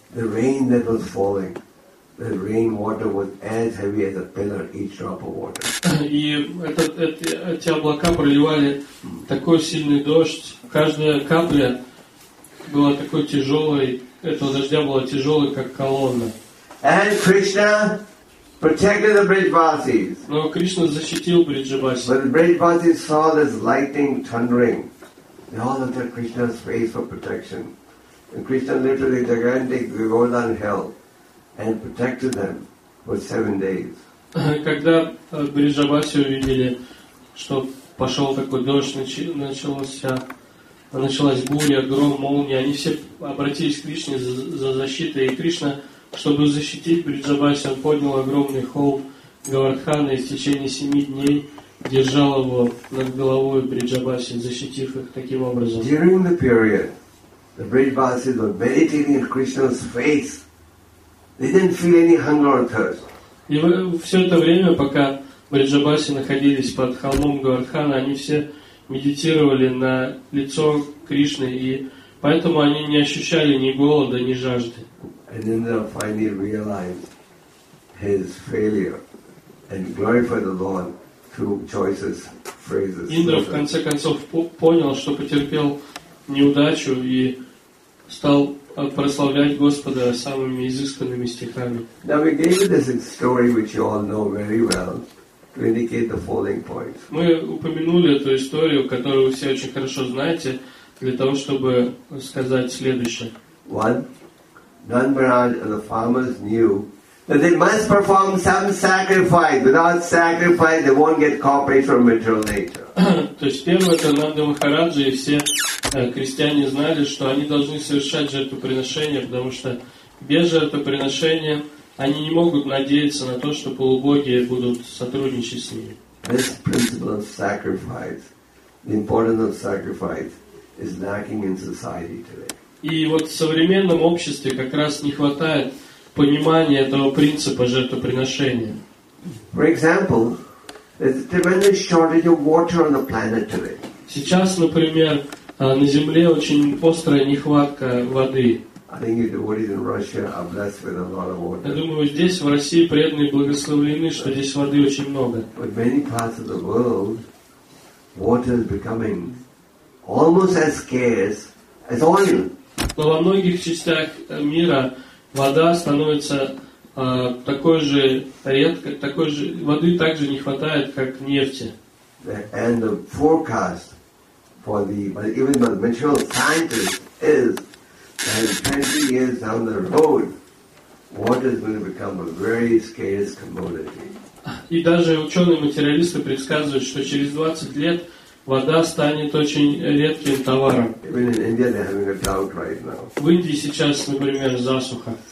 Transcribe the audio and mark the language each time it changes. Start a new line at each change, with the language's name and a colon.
English: The rain that was falling, the rain water was as heavy as a pillar, each drop of water.
Russian: И эти облака проливали такой сильный дождь, каждая капля была такой тяжелой, этого дождя была тяжелой, как колонна.
English: And Krishna protected the Brijvasis.
Russian: Но Кришна защитил Бриджавасис.
English: When the Brijvasis saw this lightning thundering, they all looked at Krishna's face for protection. And Krishna literally gigantic Govardhan hill and protected them for 7 days.
Russian: Когда Бриджаваси увидели, что пошел такой дождь, началась буря, гром, молния, они все обратились к Кришне за защитой, и Кришна, чтобы защитить Бриджаваси, он поднял огромный холм Говардхана и в течение 7 дней держал его над головой Бриджаваси, защитив их таким образом.
English: During the period, the Brijvasis were meditating in Krishna's face. They didn't feel any hunger or thirst.
Russian: И все это время, пока Бриджаваси находились под холмом Говардхана, они все медитировали на лицо Кришны, и поэтому они не ощущали ни голода, ни жажды.
English: And then they finally realized his failure and glorified the Lord through choices, phrases.
Russian: Индра в конце концов понял, что потерпел неудачу и стал прославлять Господа самыми изысканными стихами.
English: Now we gave this story, which you all know very well, to indicate the following point.
Russian: Мы упомянули эту историю, которую вы все очень хорошо знаете, для того, чтобы сказать следующее.
English: One, Nand Maharaj and the farmers knew that they must perform some sacrifice. Without sacrifice, they won't get cooperation from material nature.
Russian: То есть первое, это Нанда Махараджа и все крестьяне знали, что они должны совершать жертвоприношение, потому что без жертвоприношения они не могут надеяться на то, что полубоги будут сотрудничать с ними.
English: This principle of sacrifice, the importance of sacrifice, is lacking in society today.
Russian: И вот в современном обществе как раз не хватает понимания этого принципа жертвоприношения.
English: For example, there's a tremendous shortage of water on the planet today.
Russian: Сейчас, например, на Земле очень острая нехватка воды. Я думаю, здесь, в России, преданные благословлены, что здесь воды очень много.
English: But many parts of the world, water is becoming almost as scarce as oil.
Russian: Но во многих частях мира вода становится такой же редко, такой же воды также не хватает, как нефти.
English: And the forecast for the even the material scientists is that 20 years down the road, water is going to become a very scarce commodity.
Russian: И даже ученые-материалисты предсказывают, что через 20 лет вода станет очень редким товаром.
English: Even in India, they're having a drought right now.
Russian: В Индии сейчас, например, засуха.